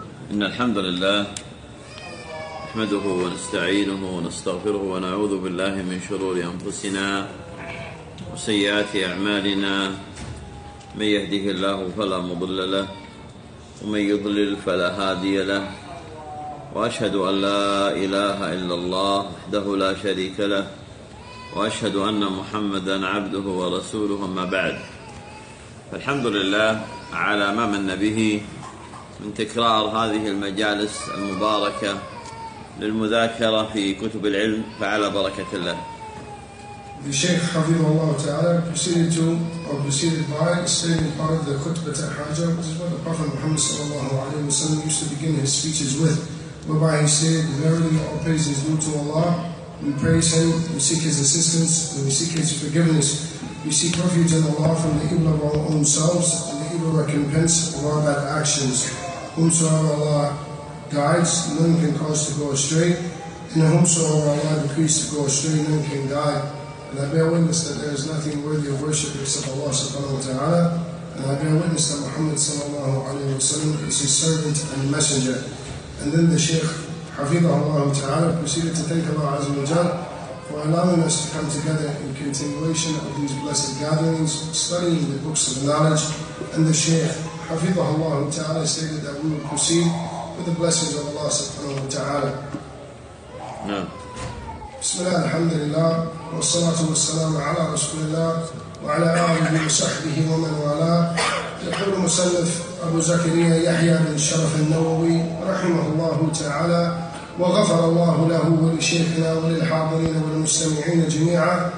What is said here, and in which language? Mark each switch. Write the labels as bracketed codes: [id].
[ar] إن الحمد لله نحمده ونستعينه ونستغفره ونعوذ بالله من شرور أنفسنا وسيئات أعمالنا، من يهده الله فلا مضل له ومن يضلل فلا هادي له، وأشهد أن لا إله إلا الله وحده لا شريك له، وأشهد أن محمدًا عبده ورسوله، أما بعد. فالحمد لله على ما من به من تكرار هذه المجالس المباركة للمذاكرة في كتب العلم، فعلى بركة الله. [en] The Sheikh [ar] حفظه الله تعالى [en] proceeded to or proceeded by saying part of the خطبة الحاجر, which is what the Prophet Muhammad [ar] صلى الله عليه وسلم [en] used to begin his speeches with, whereby he said, "Verily all praise is due to Allah. We praise Him, we seek His assistance, and we seek His forgiveness. We seek refuge in Allah from the evil of our own selves and the evil recompense of our bad actions. Whomsoever Allah guides, none can cause to go astray, and whomsoever Allah decrees to go astray, none can guide. And I bear witness that there is nothing worthy of worship except Allah subhanahu wa ta'ala, and I bear witness that Muhammad sallallahu alayhi wa sallam is His servant and messenger." And then the Shaykh [ar] حفظه الله تعالى [en] proceeded to thank Allah [ar] عز وجل [en] for allowing us to come together in continuation of these blessed gatherings, studying the books of knowledge. And the Shaykh [ar] حفظه الله تعالى [en] stated that we will proceed with the blessings of Allah [ar] سبحانه وتعالى. [en] No. [ar] بسم الله الحمد لله والصلاة والسلام على رسول الله وعلى آله وصحبه ومن والاه. يقول مسلف أبو زكريا يحيى بن شرف النووي رحمه الله تعالى وغفر الله له ولشيخنا وللحاضرين والمستمعين جميعا